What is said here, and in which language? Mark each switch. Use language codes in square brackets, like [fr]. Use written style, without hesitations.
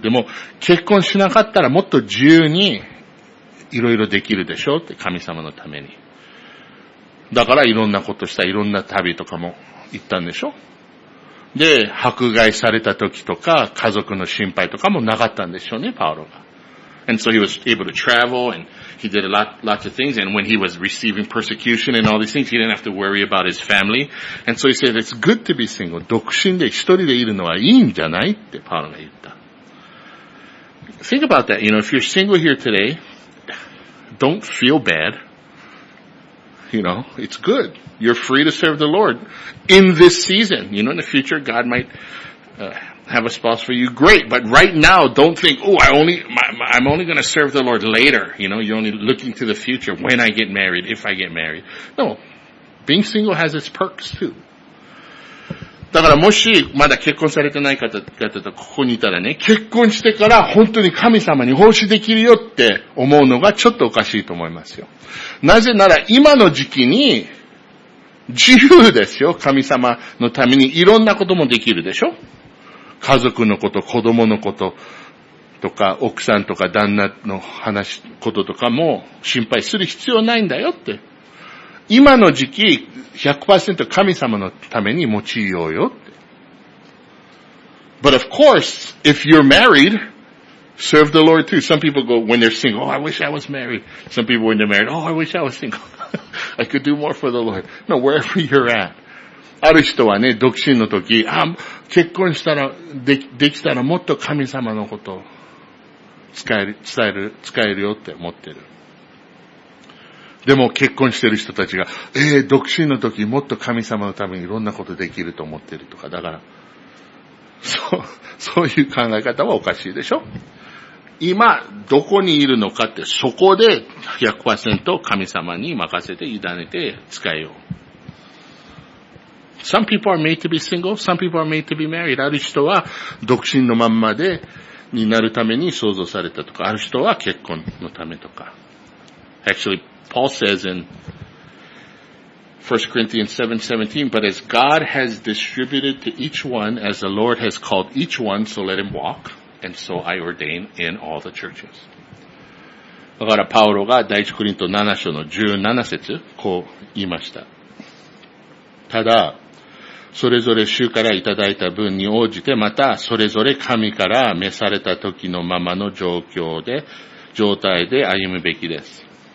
[ja] でも、結婚しなかったらもっと自由にいろいろできるでしょって、神様のために。だからいろんなことした、いろんな旅とかも行ったんでしょ。で、迫害された時とか、家族の心配とかもなかったんでしょうね、パウロが。 [en] And so he was able to travel and he did a lot of things. And when he was receiving persecution and all these things, he didn't have to worry about his family. And so he said, it's good to be single. [ja] 独身で一人でいるのはいいんじゃないってパウロが言った。 [en] Think about that. You know, if you're single here today, don't feel bad. You know, it's good. You're free to serve the Lord in this season. You know, in the future, God might... have a spouse for you, great, but right now don't think, oh, I'm only going to serve the Lord later, you know, you're only looking to the future, when I get married, if I get married. No, being single has its perks too. [ja] だからもしまだ結婚されてない方々とここにいたらね、結婚してから本当に神様に奉仕できるよって思うのがちょっとおかしいと思いますよ。なぜなら今の時期に自由ですよ。神様のためにいろんなこともできるでしょ。家族のこと、子供のこととか、奥さんとか旦那の話、こととかも心配する必要ないんだよって。今の時期、100% 神様のために用いようよって。 [en] But of course, if you're married, serve the Lord too. Some people go, when they're single, oh, I wish I was married. Some people, when they're married, oh, I wish I was single. I could do more for the Lord. No, wherever you're at. [ja] ある人はね、独身の時、あ、結婚したら、できたらもっと神様のことを使えるよって思ってる。でも結婚してる人たちが、独身の時もっと神様のためにいろんなことできると思ってるとか、だから、そういう考え方はおかしいでしょ？今、どこにいるのかって、そこで 100% 神様に任せて委ねて使えよう。 [en] Some people are made to be single. Some people are made to be married. [ja] ある人は独身のまんまでになるために創造されたとか、ある人は結婚のためとか。 [en] Actually, Paul says in 1 Corinthians 7:17, but as God has distributed to each one, as the Lord has called each one, so let him walk, and so I ordain in all the churches. [ja] だからパウロが第1コリント7章の17節、こう言いました。ただ、それぞれ主からいただいた分に応じて、またそれぞれ神から召された時のままの状態で歩むべきです。